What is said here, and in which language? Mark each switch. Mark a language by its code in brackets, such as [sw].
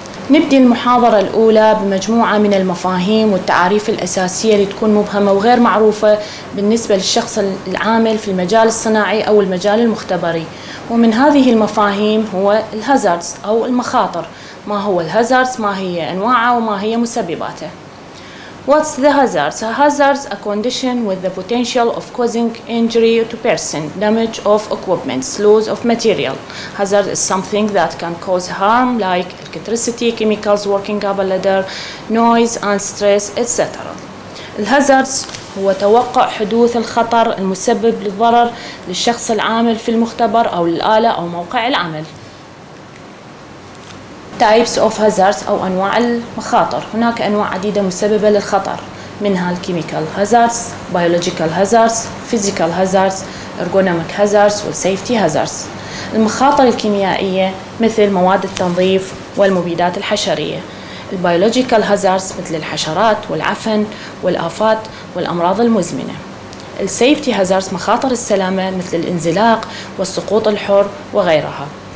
[ar] نبدأ المحاضرة الأولى بمجموعة من المفاهيم والتعاريف الأساسية اللي تكون مبهمة وغير معروفة بالنسبة للشخص العامل في المجال الصناعي أو المجال المختبري، ومن هذه المفاهيم هو الهازاردز أو المخاطر. ما هو الهازاردز؟ ما هي أنواعه وما هي مسبباته؟ [en] What's the hazards? A hazard is a condition with the potential of causing injury to person, damage of equipment, loss of material. Hazard is something that can cause harm like electricity, chemicals working up a ladder, noise and stress, etc. [ar] الهازاردز هو توقع حدوث الخطر المسبب للضرر للشخص العامل في المختبر أو للآلة أو موقع العمل. [en] Types of hazards [ar] أو أنواع المخاطر. هناك أنواع عديدة مسببة للخطر، منها chemical hazards, biological hazards, physical hazards, ergonomic hazards والsafety hazards. المخاطر الكيميائية مثل مواد التنظيف والمبيدات الحشرية. البيولوجيكال هازاردز مثل الحشرات والعفن والآفات والأمراض المزمنة. السيفتي هازاردز مخاطر السلامة مثل الانزلاق والسقوط الحر وغيرها.